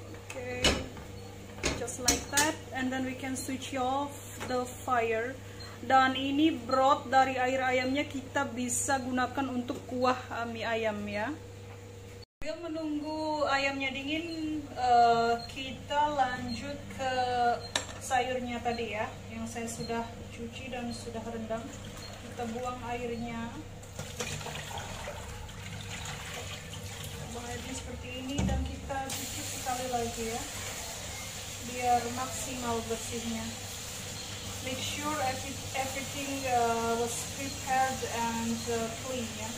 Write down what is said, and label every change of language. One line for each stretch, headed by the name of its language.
English: Oke, just like that, and then we can switch off the fire.
Indonesian: Dan ini broth dari air ayamnya kita bisa gunakan untuk kuah mie ayam ya. Sambil menunggu ayamnya dingin, kita lanjut ke sayurnya tadi ya, yang saya sudah cuci dan sudah rendam. Kita buang airnya. Buang airnya seperti ini dan kita cuci sekali lagi ya, biar maksimal bersihnya.
English: Make sure everything was prepared and clean ya.